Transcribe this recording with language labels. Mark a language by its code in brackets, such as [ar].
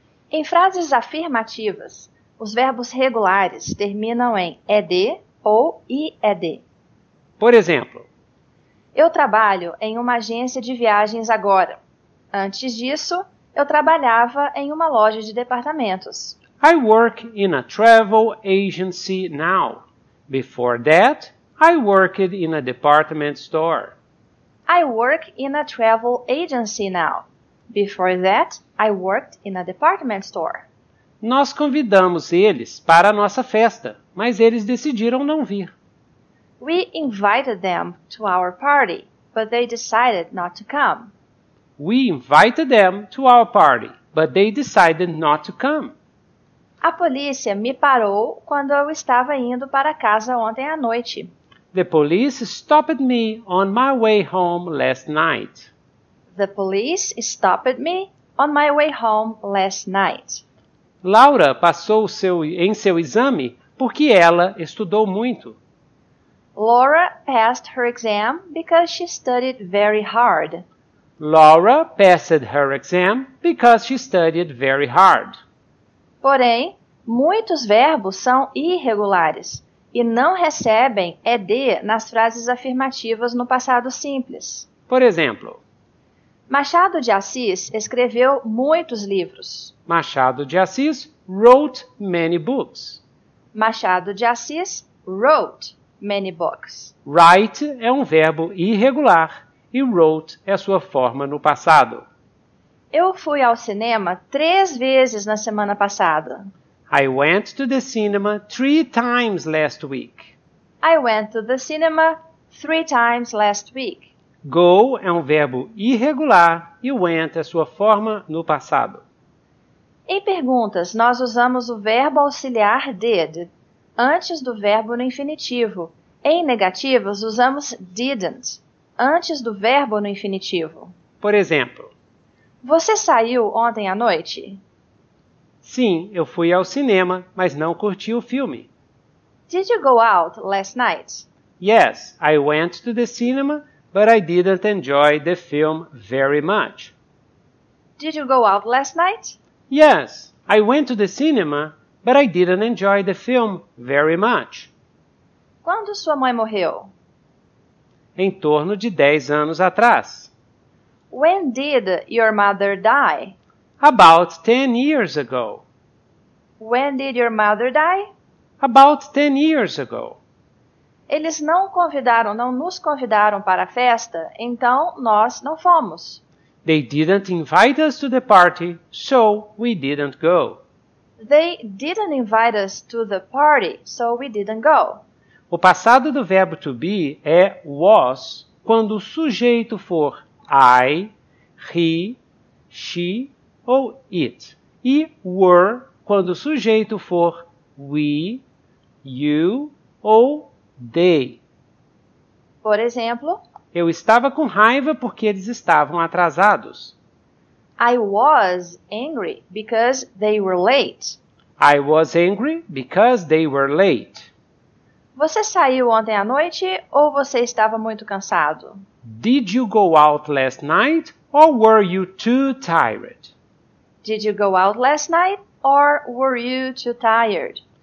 [pt] Em frases afirmativas, os verbos regulares terminam em ed ou ied. Por exemplo, Eu trabalho em uma agência de viagens agora. Antes disso, eu trabalhava em uma loja de departamentos. [en] I work in a travel agency now. Before that, I worked in a department store. I work in a travel agency now. Before that, I worked in a department store. [pt] Nós convidamos eles para a nossa festa, mas eles decidiram não vir. [en] We invited them to our party, but they decided not to come. We invited them to our party, but they decided not to come. [pt] A polícia me parou quando eu estava indo para casa ontem à noite. [en] The police stopped me on my way home last night. The police stopped me on my way home last night. [pt] Laura passou em seu exame porque ela estudou muito. [en] Laura passed her exam because she studied very hard. Laura passed her exam because she studied very hard. [pt] Porém, muitos verbos são irregulares e não recebem ed nas frases afirmativas no passado simples. Por exemplo, Machado de Assis escreveu muitos livros. [en] Machado de Assis wrote many books. Machado de Assis wrote many books. [pt] Write é um verbo irregular e wrote é sua forma no passado. Eu fui ao cinema 3 vezes na semana passada. [en] I went to the cinema 3 times last week. I went to the cinema 3 times last week. [pt] Go é um verbo irregular e went é sua forma no passado. Em perguntas, nós usamos o verbo auxiliar did antes do verbo no infinitivo. Em negativas, usamos didn't antes do verbo no infinitivo. Por exemplo, Você saiu ontem à noite? sim, eu fui ao cinema, mas não curti o filme. [en] Did you go out last night? Yes, I went to the cinema, but I didn't enjoy the film very much. Did you go out last night? Yes, I went to the cinema, but I didn't enjoy the film very much. [pt] Quando sua mãe morreu? Em torno de 10 anos atrás. [en] When did your mother die? About 10 years ago. When did your mother die? About 10 years ago. [pt] Eles não convidaram, não nos convidaram para a festa, então nós não fomos. [en] They didn't invite us to the party, so we didn't go. They didn't invite us to the party, so we didn't go. [pt] O passado do verbo to be é was, quando o sujeito for I, he, she ou it. E were, quando o sujeito for we, you ou they. Por exemplo, eu estava com raiva porque eles estavam atrasados. [en] I was angry because they were late. I was angry because they were late. [pt] Você saiu ontem à noite ou você estava muito cansado? [en] Did you go out last night or were you too tired? Did you go out last night or were you too tired?